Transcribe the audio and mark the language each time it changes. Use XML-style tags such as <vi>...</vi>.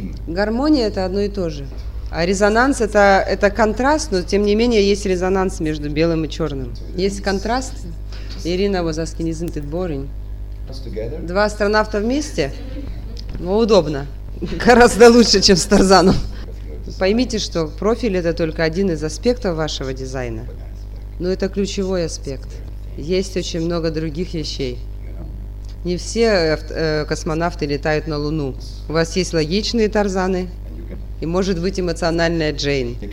<ru>Гармония – это одно и то же. А резонанс – это контраст, но тем не менее есть резонанс между белым и черным. Есть контраст.</ru> <en>Ирина was asking, isn't it boring?</en> <ru>Два астронавта вместе? Ну, удобно. Гораздо лучше, чем с Тарзаном. Поймите, что профиль – это только один из аспектов вашего дизайна. Но это ключевой аспект. Есть очень много других вещей. Не все космонавты летают на Луну. У вас есть логичные Тарзаны и, может быть, эмоциональная Джейн.</ru>